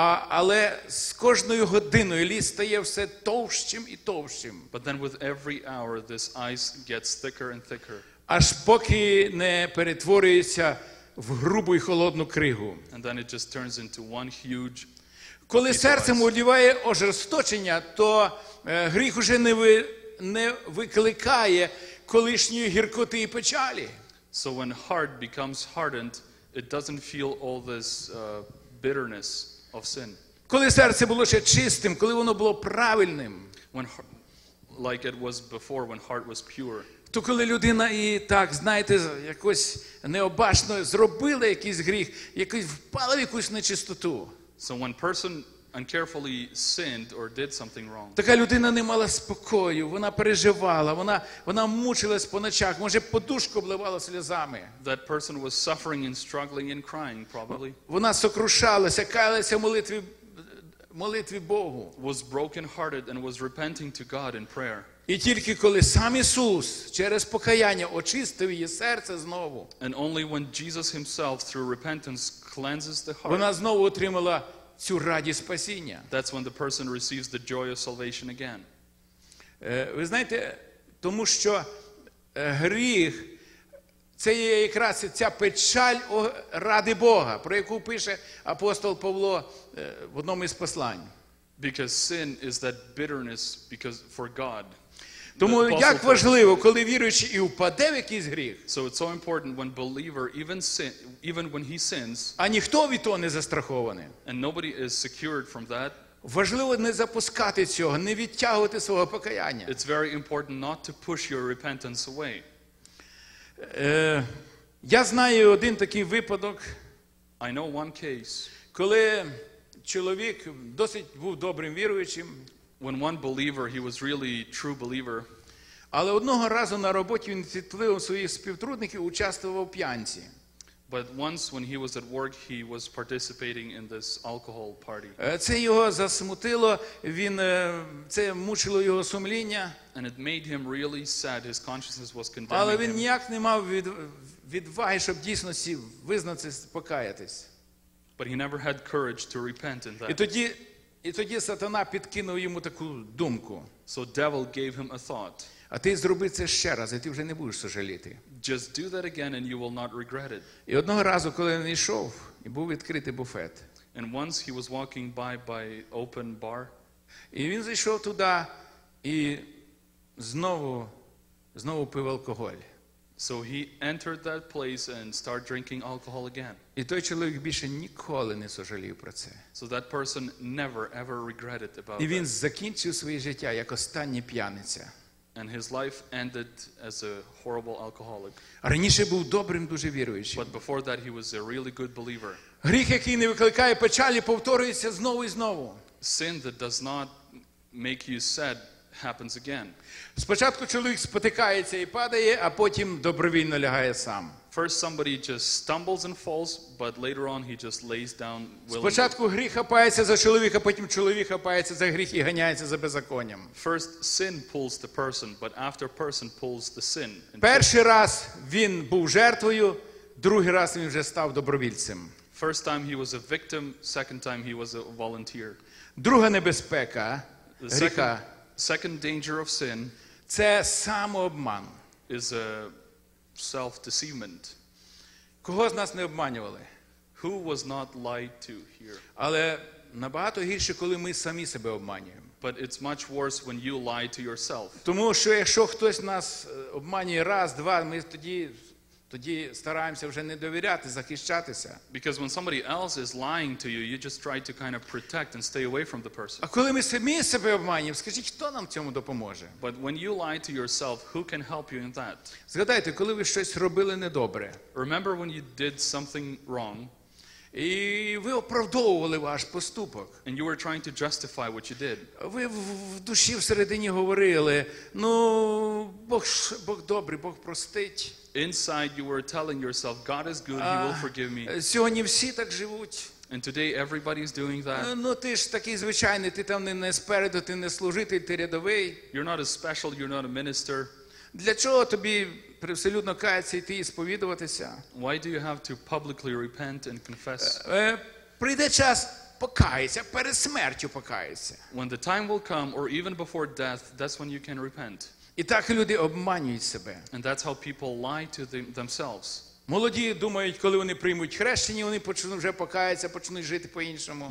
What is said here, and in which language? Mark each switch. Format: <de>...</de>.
<uk>Але з кожною годиною ліс стає все товщим і товщим.</uk> <en>But then with every hour this ice gets thicker and thicker.</en> <uk>Аж поки не перетворюється в грубу і холодну кригу.</uk> <en>And then it just turns into one huge.</en> <uk>Коли серце одіває ожесточення, то гріх уже не викликає колишньої гіркоти і печалі.</uk> <en>So when heart becomes hardened, it doesn't feel all this bitterness of sin.</en> <uk>Коли серце було ще чистим, коли воно було правильним,</uk> <en>when like it was before when heart was pure.</en> <uk>То коли людина і так, знаєте, якось необачно зробила якийсь гріх, якось впала в якусь нечистоту.</uk> <en>So when person uncarefully sinned or did something wrong.</en> <uk>Така людина не мала спокою, вона переживала, вона мучилась по ночах, може подушку обливала сльозами.</uk> <en>That person was suffering and struggling and crying probably.</en> <uk>Вона сокрушалася, каялася в молитві Богу.</uk> <en>Was broken hearted and was repenting to God in prayer.</en> <uk>І тільки коли сам Ісус через покаяння очистив її серце знову.</uk> <en>And only when Jesus himself through repentance cleanses the heart.</en> <uk>Вона знову отримала цю радість спасіння.</uk> <en>That's when the person receives the joy of salvation again.</en> <uk>Ви знаєте, тому що гріх це є якраз ця печаль ради Бога, про яку пише апостол Павло в одному із послань.</uk> <en>Because sin is that bitterness because for God.</en> <uk>Тому як важливо, коли віруючий і впаде в якийсь гріх.</uk> <en>So it's so important when believer even when he sins.</en> <uk>А ніхто від того не застрахований.</uk> <en>And nobody is secured from that.</en> <uk>Важливо не запускати цього, не відтягувати свого покаяння.</uk> <en>It's very important not to push your repentance away.</en> <uk>Я знаю один такий випадок.</uk> <en>I know one case.</en> <uk>Коли чоловік досить був добрим віруючим,</uk> <en>when one believer he was really true believer.</en> <uk>Але одного разу на роботі він впливом своїх співтрудників участвував в п'янці.</uk> <en>But once when he was at work he was participating in this alcohol party.</en> <uk>Це його засмутило, він це мучило його сумління.</uk> <en>And it made him really sad, his consciousness was condemning him.</en> <uk>Але він ніяк не мав відваги, щоб дійсно визнатися, покаятись.</uk> <en>But he never had courage to repent in that.</en> <uk>І тоді сатана підкинув йому таку думку.</uk> <en>So devil gave him a thought.</en> <uk>А ти зроби це ще раз, і ти вже не будеш сожаліти.</uk> <en>Just do that again and you will not regret it.</en> <uk>І одного разу, коли він йшов, і був відкритий буфет.</uk> <en>And once he was walking by open bar.</en> <uk>І він зайшов туди і знову пив алкоголь.</uk> <en>So he entered that place and started drinking alcohol again.</en> <uk>І той чоловік більше ніколи не сожалів про це.</uk> <en>So that person never ever regretted about it.</en> <uk>І він закінчив своє життя як останній п'яниця.</uk> <en>And his life ended as a horrible alcoholic.</en> <uk>Раніше був добрим, дуже віруючим.</uk> <en>But before that he was a really good believer.</en> <uk>Гріх, який не викликає печалі, повторюється знову і знову.</uk> <en>Sin that does not make you sad happens again.</en> <uk>Спочатку чоловік спотикається і падає, а потім добровільно лягає сам.</uk> <en>First somebody just stumbles and falls, but later on he just lays down willingly.</en> <uk>Спочатку гріх хапається за чоловіка, потім чоловік хапається за гріх і ганяється за беззаконням.</uk> <en>First sin pulls the person, but after person pulls the sin.</en> <uk>Перший раз він був жертвою, другий раз він вже став добровільцем.</uk> <en>First time he was a victim, second time he was a volunteer.</en> <uk>Друга небезпека гріха,</uk> <en>second danger of sin,</en> <uk>це самообман.</uk> <en>Is a self-deceivement.</en> <uk>Кого з нас не обманювали?</uk> <en>Who was not lied to here?</en> <uk>Але набагато гірше, коли ми самі себе обманюємо.</uk> <en>But it's much worse when you lie to yourself.</en> <uk>Тому що якщо хтось нас обманює раз, два, ми тоді стараємося вже не довіряти, захищатися.</uk> <en>Because when somebody else is lying to you, you just try to kind of protect and stay away from the person.</en> <uk>А коли ми самі себе обманюємо, скажіть, хто нам цьому допоможе?</uk> <en>But when you lie to yourself, who can help you in that?</en> <uk>Згадайте, коли ви щось робили недобре.</uk> <en>Remember when you did something wrong.</en> <uk>І ви оправдовували ваш поступок.</uk> <en>And you were trying to justify what you did.</en> <uk>Ви в душі всередині говорили: "Ну, Бог добрий, Бог простить".</uk> <en>Inside you were telling yourself, God is good, he will forgive me.</en> <uk>Сьогодні всі так живуть.</uk> <en>And today everybody is doing that.</en> <uk>Ну ти ж такий звичайний, ти там не спереду, ти не служитель, ти рядовий.</uk> <en>You're not a special, you're not a minister.</en> <uk>Для чого тобі привселюдно каятися, йти і сповідуватися?</uk> <en>Why do you have to publicly repent and confess?</en> <uk>Прийде час, покаяться, перед смертю покаяться.</uk> <en>When the time will come, or even before death, that's when you can repent.</en> <uk>І так люди обманюють себе.</uk> <en>And that's how people lie to themselves.</en> <uk>Молоді думають, коли вони приймуть хрещення, вони почнуть вже покаятися, почнуть жити по-іншому.</uk>